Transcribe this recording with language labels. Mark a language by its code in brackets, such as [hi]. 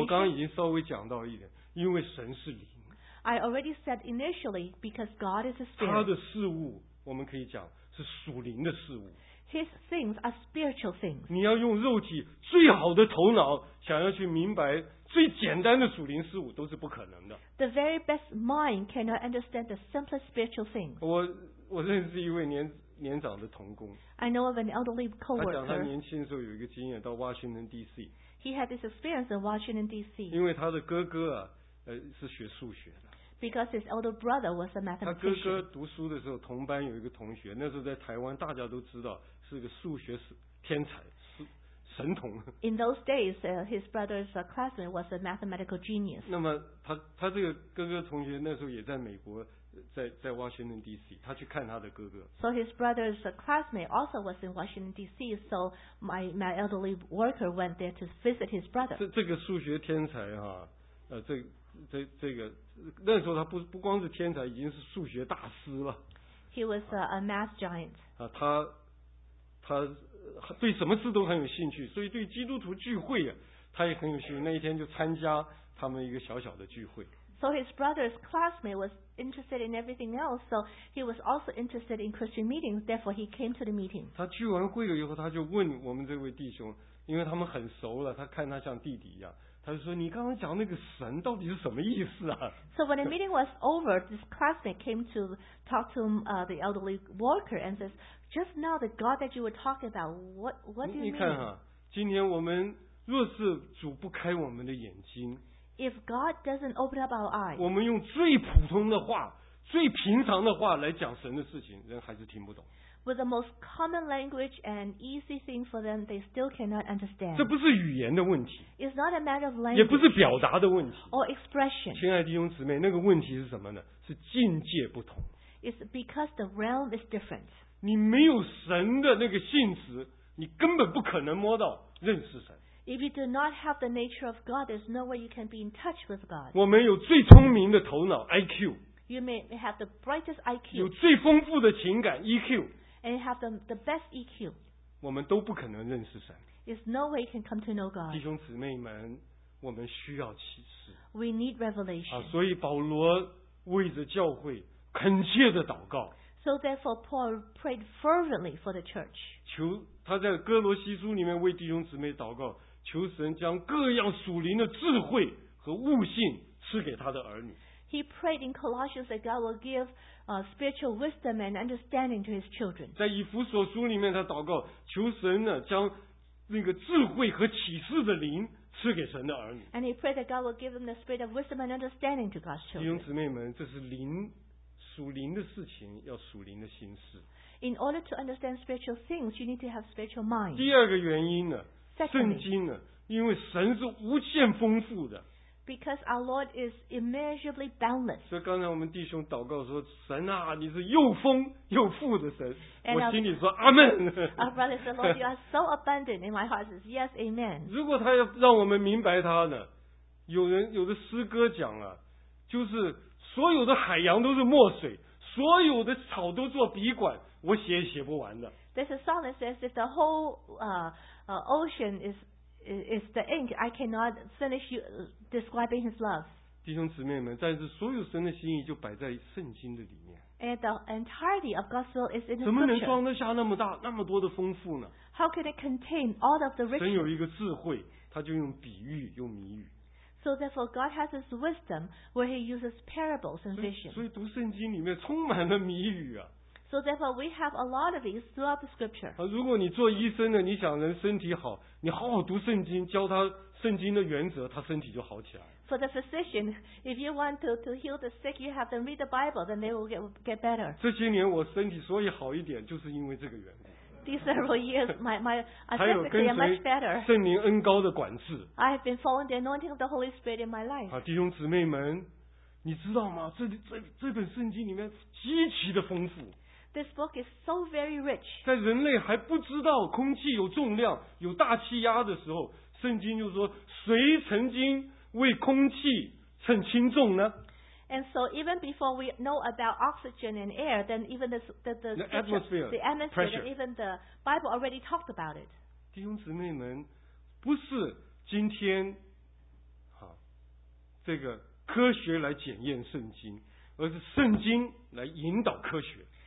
[zh] 我刚刚已经稍微讲到一点，因为神是灵。 [en] I already said initially because God is a spirit. [zh] 他的事物我们可以讲是属灵的事物。 [en] His things are spiritual things. [zh] 你要用肉体最好的头脑想要去明白最简单的属灵事物都是不可能的。 [en] The very best mind cannot understand the simplest spiritual things. [zh] 我认识一位年长的同工。 [en] I know of an elderly coworker. [zh] 他讲他年轻的时候有一个经验到 Washington D.C. [en] He had this experience in Washington D.C. [zh] 因为他的哥哥啊，是学数学的。 [en] Because his elder brother was a mathematician. [zh] 他哥哥读书的时候，同班有一个同学，那时候在台湾，大家都知道是个数学天才，神童。 [en] In those days, his brother's classmate was a mathematical genius. [zh] 那么他这个哥哥同学那时候也在美国，在 Washington D.C. 他去看他的哥哥。 [en] So his brother's classmate also was in Washington D.C. So my elderly worker went there to visit his brother. [zh] 这个数学天才哈、啊，这个那时候他不光是天才，已经是数学大师了。 [en] He was a math giant. [zh] 啊，他对什么事都很有兴趣，所以对基督徒聚会啊，他也很有兴趣。那一天就参加他们一个小小的聚会。 [en] So his brother's classmate was interested in everything else, so he was also interested in Christian meetings. Therefore, he came to the meeting. [zh] 他聚完会了以后，他就问我们这位弟兄，因为他们很熟了，他看他像弟弟一样。他就说：“你刚刚讲那个神到底是什么意思啊？” [en] So when the meeting was over, this classmate came to talk to the elderly worker and says, "Just now, the God that you were talking about, what do you mean?" [zh] 你看哈，今天我们若是主不开我们的眼睛 [en] ，If God doesn't open up our eyes, [zh] 我们用最普通的话、最平常的话来讲神的事情，人还是听不懂。 [en] With the most common language and easy thing for them, they still cannot understand. [zh] 这不是语言的问题。 [en] It's not a matter of language. [zh] 也不是表达的问题。 [en] Or expression. [zh] 亲爱的弟兄姊妹，那个问题是什么呢？是境界不同。 [en] It's because the realm is different. [zh] 你没有神的那个性质，你根本不可能摸到认识神。 [en] If you do not have the nature of God, there's no way you can be in touch with God. [zh] 我们有最聪明的头脑 IQ. [en] You may have the brightest IQ. [zh] 有最丰富的情感 EQ. [en] And have the best EQ. [zh] 我们都不可能认识神。 [en] There's no way you can come to know God. [zh] 弟兄姊妹们，我们需要启示。 [en] We need revelation. [zh] 啊，所以保罗为着教会恳切的祷告。 [en] So therefore, Paul prayed fervently for the church. [zh] 求他在哥罗西书里面为弟兄姊妹祷告，求神将各样属灵的智慧和悟性赐给他的儿女。 [en] He prayed in Colossians that God will give spiritual wisdom and understanding to his children. [zh] 在以弗所书里面他祷告，求神呢将那个智慧和启示的灵赐给神的儿女。 [en] And he prayed that God will give them the spirit of wisdom and understanding to God's children. [zh] 弟兄姊妹们，这是灵属灵的事情，要属灵的心思。 [en] In order to understand spiritual things, you need to have spiritual mind. [zh] 第二个原因呢，圣经呢，因为神是无限丰富的。 [en] Because our Lord is immeasurably boundless. [zh] 所以刚才我们弟兄祷告说，神啊，你是又丰又富的神。我心里说阿门。 [en] Our brother said, Lord, you are so abundant. In my heart says, yes, amen. [zh] 如果他要让我们明白他呢，有人有的诗歌讲啊，就是所有的海洋都是墨水，所有的草都做笔管，我写也写不完的。 [en] There's a song that says, if the whole ocean is the ink, I cannot finish you describing his love. [zh] 弟兄姊妹们，但是所有神的心意就摆在圣经的里面。 [en] And the entirety of God's will is in the [zh] scripture. 怎么能装得下那么大那么多的丰富呢？ [en] How can it contain all of the riches? [zh] 神有一个智慧，他就用比喻，用谜语。 [en] So therefore, God has this wisdom where He uses parables and visions. [zh] 所以读圣经里面充满了谜语啊。 [en] So therefore, we have a lot of these throughout the scripture. [zh] 如果你做医生的，你想人身体好，你好好读圣经，教他圣经的原则，他身体就好起来。 [en] For the physician, if you want to heal the sick, you have them read the Bible, then they will get better. [zh] 这些年我身体所以好一点，就是因为这个缘故。 [en] These several years, my physically am much better. [zh] 圣灵恩膏的管制。 [en] I have been following the anointing of the Holy Spirit in my life. [zh] 好，弟兄姊妹们，你知道吗？这本圣经里面极其的丰富。 [en] This book is so very rich. [zh] 在人类还不知道空气有重量、有大气压的时候，圣经就说：“谁曾经为空气称轻重呢？” [en] And so even before we know about oxygen and air, then even the atmosphere, the atmosphere, pressure, even the Bible already talked about it. [zh] 弟兄姊妹们，不是今天，这个科学来检验圣经，而是圣经来引导科学。